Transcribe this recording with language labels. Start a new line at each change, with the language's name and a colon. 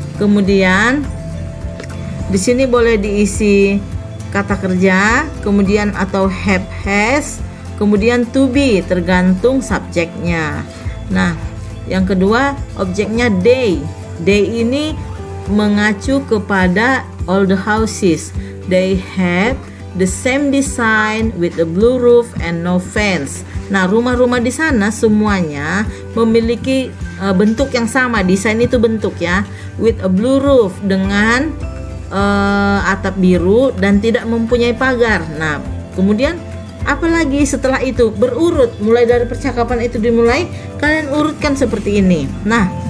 Indonesian: Kemudian di sini boleh diisi kata kerja, kemudian atau have has. Kemudian to be tergantung subjeknya. Nah, yang kedua objeknya they.
English: They
Indonesian: ini mengacu kepada
English: all the houses. They have the same design with a blue roof and no fence.
Indonesian: Nah, rumah-rumah di sana semuanya memiliki bentuk yang sama. Desain itu bentuk ya.
English: With a blue roof,
Indonesian: dengan atap biru dan tidak mempunyai pagar. Nah, kemudian apalagi setelah itu berurut, mulai dari percakapan itu dimulai, kalian urutkan seperti ini. Nah,